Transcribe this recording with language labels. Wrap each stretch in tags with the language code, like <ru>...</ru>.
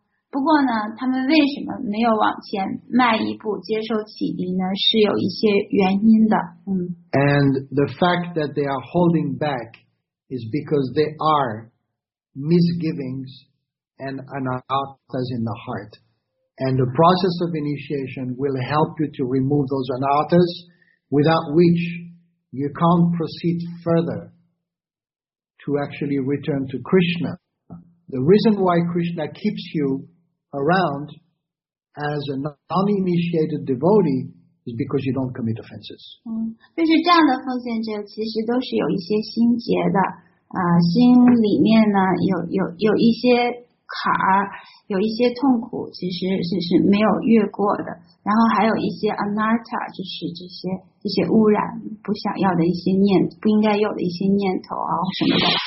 <zh>不过呢，他们为什么没有往前迈一步接受启迪呢？是有一些原因的。</zh> <en>And the fact that they are holding back is because they are misgivings and anarthas in the heart. And the process of initiation will help you to remove those anarthas, without which you can't proceed further. To actually return to Krishna. The reason why Krishna keeps you around as a non-initiated devotee is because you don't commit offenses.</en> <zh>嗯，就是这样的奉献者其实都是有一些心结的，啊，心里面呢有一些坎儿，有一些痛苦，其实是没有越过的。然后还有一些 anatta， 就是这些污染，不想要的一些念，不应该有的一些念头啊什么的。</zh>